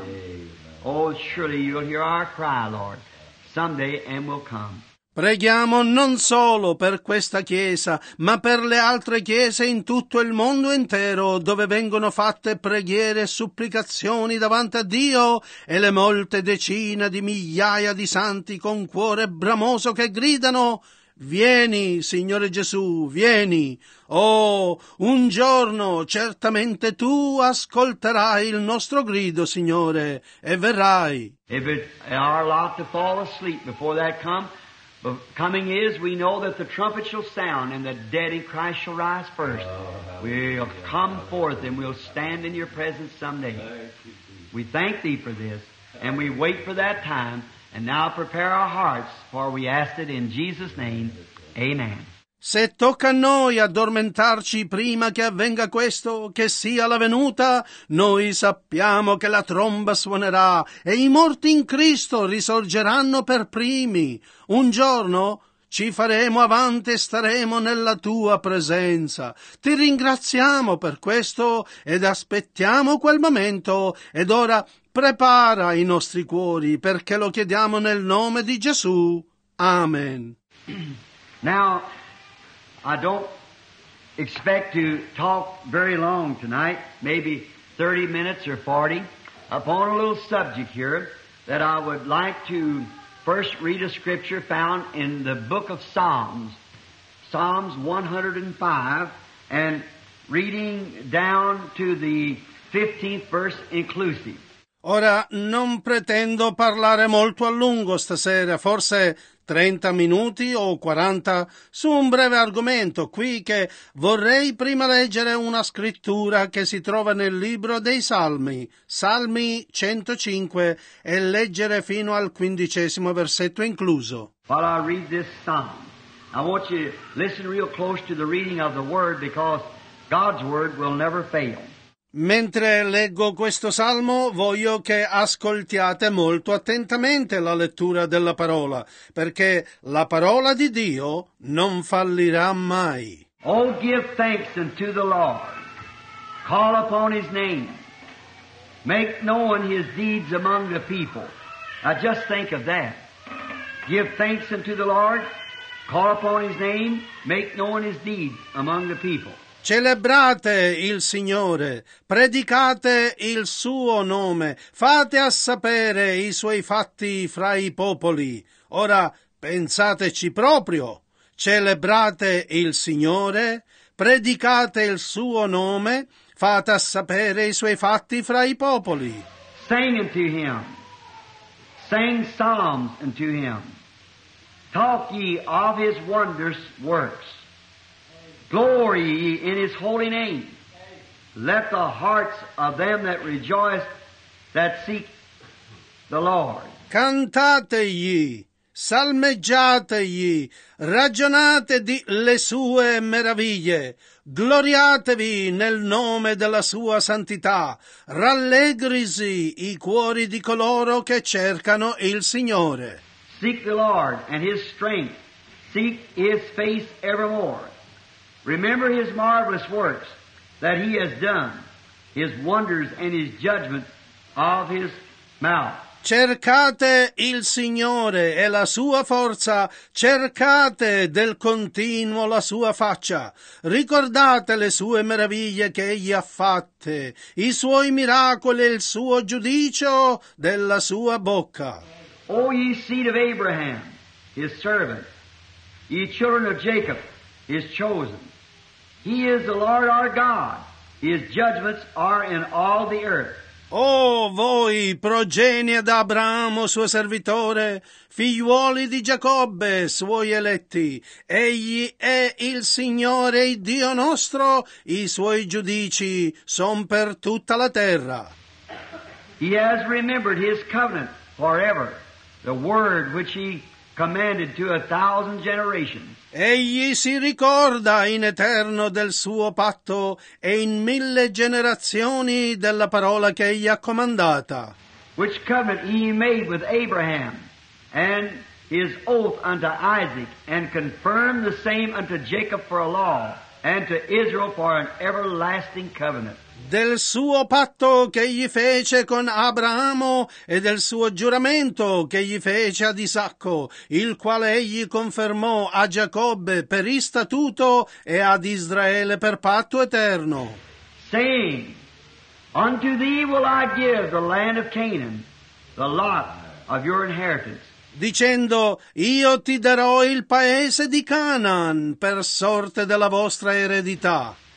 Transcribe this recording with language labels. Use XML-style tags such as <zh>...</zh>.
<en>Amen. Oh, surely You'll hear our cry, Lord, someday, and we'll come.</en> <it>Preghiamo non solo per questa chiesa, ma per le altre chiese in tutto il mondo intero, dove vengono fatte preghiere e supplicazioni davanti a Dio e le molte decine di migliaia di santi con cuore bramoso che gridano: «Vieni, Signore Gesù, vieni! Oh, un giorno certamente Tu ascolterai il nostro grido, Signore, e verrai!»</it> <en>If it is our lot to fall asleep before that come, coming is, we know that the trumpet shall sound and the dead in Christ shall rise first. We'll come forth and we'll stand in your presence someday. We thank thee for this and we wait for that time. And now prepare our hearts, for we ask it in Jesus' name. Amen.</en> <it>Se tocca a noi addormentarci prima che avvenga questo, che sia la venuta, noi sappiamo che la tromba suonerà e i morti in Cristo risorgeranno per primi. Un giorno ci faremo avanti e staremo nella Tua presenza. Ti ringraziamo per questo ed aspettiamo quel momento. Ed ora prepara i nostri cuori, perché lo chiediamo nel nome di Gesù. Amen.</it> <en>Now, I don't expect to talk very long tonight, maybe 30 minutes or 40, upon a little subject here that I would like to first read a scripture found in the book of Psalms, Psalms 105, and reading down to the 15th verse inclusive.</en> <it>Ora, non pretendo parlare molto a lungo stasera, forse 30 minuti o 40, su un breve argomento qui che vorrei prima leggere una scrittura che si trova nel libro dei Salmi, Salmi 105, e leggere fino al 15° versetto incluso.</it> <en>While I read this psalm, I want you to listen real close to the reading of the Word, because God's Word will never fail.</en> <it>Mentre leggo questo salmo, voglio che ascoltiate molto attentamente la lettura della parola, perché la parola di Dio non fallirà mai.</it> <en>Oh, give thanks unto the Lord, call upon His name, make known His deeds among the people. Now just think of that. Give thanks unto the Lord, call upon His name, make known His deeds among the people.</en> <it>Celebrate il Signore, predicate il Suo nome, fate a sapere i Suoi fatti fra i popoli. Ora, pensateci proprio, celebrate il Signore, predicate il Suo nome, fate a sapere i Suoi fatti fra i popoli.</it> <en>Sing unto Him, sing psalms unto Him, talk ye of His wondrous works. Glory ye in His holy name. Let the hearts of them that rejoice, that seek the Lord.</en> <it>Cantategli, salmeggiategli, ragionate di le sue meraviglie, gloriatevi nel nome della sua santità, rallegrisi i cuori di coloro che cercano il Signore.</it> <en>Seek the Lord and His strength, seek His face evermore. Remember His marvelous works that He has done, His wonders and His judgments of His mouth.</en> <it>Cercate il Signore e la Sua forza, cercate del continuo la Sua faccia. Ricordate le Sue meraviglie che Egli ha fatte, i Suoi miracoli e il Suo giudizio della Sua bocca.</it> <en>O ye seed of Abraham, His servant, ye children of Jacob, His chosen, He is the Lord our God. His judgments are in all the earth.</en> <it>Oh, voi, progenie d'Abramo, suo servitore, figliuoli di Giacobbe, suoi eletti, egli è il Signore, il Dio nostro, i suoi giudici son per tutta la terra.</it> <en>He has remembered His covenant forever, the word which He commanded to a thousand generations.</en> <it>Egli si ricorda in eterno del suo patto e in mille generazioni della parola che egli ha comandata.</it> <en>Which covenant he made with Abraham and his oath unto Isaac, and confirmed the same unto Jacob for a law and to Israel for an everlasting covenant.</en> <it>Del suo patto che gli fece con Abramo e del suo giuramento che gli fece ad Isacco, il quale egli confermò a Giacobbe per istatuto e ad Israele per patto eterno.</it> <en>Saying, unto thee will I give the land of Canaan, the lot of your inheritance.</en> <it>Dicendo, io ti darò il paese di Canaan per sorte della vostra eredità.</it>